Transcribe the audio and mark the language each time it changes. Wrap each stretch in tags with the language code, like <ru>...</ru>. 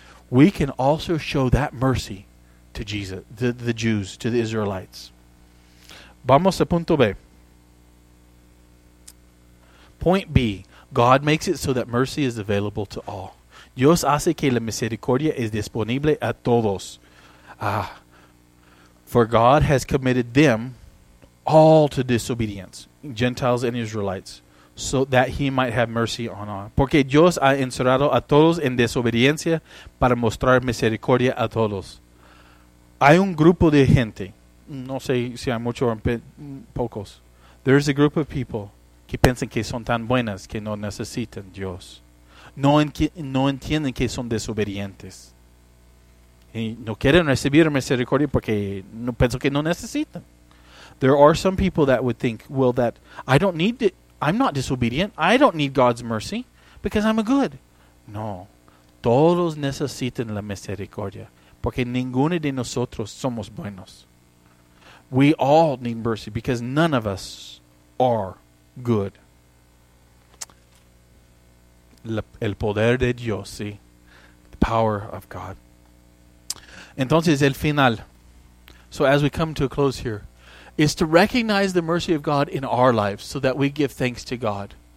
<en>We can also show that mercy to Jesus, the Jews, to the Israelites.</en> <es>Vamos a punto B.</es> <en>Point B. God makes it so that mercy is available to all.</en> <es>Dios hace que la misericordia es disponible a todos.</es> <en>Ah, for God has committed them all to disobedience, Gentiles and Israelites, so that he might have mercy on all.</en> <es>Porque Dios ha encerrado a todos en desobediencia para mostrar misericordia a todos. Hay un grupo de gente, no sé si hay muchos o pocos.</es> <en>There is a group of people</en> <es>que piensan que son tan buenas que no necesitan Dios. No entienden que son desobedientes. Y no quieren recibir misericordia porque no pienso que no necesitan.</es> <en>There are some people that would think, well, that I don't need it. I'm not disobedient. I don't need God's mercy because I'm a good.</en> <es>No. Todos necesitan la misericordia porque ninguno de nosotros somos buenos.</es> <en>We all need mercy because none of us are good.</en> <es>El poder de Dios, sí.</es> <en>The power of God.</en> <es>Entonces, el final.</es> <en>So as we come to a close here, is to recognize the mercy of God in our lives so that we give thanks to God.</en>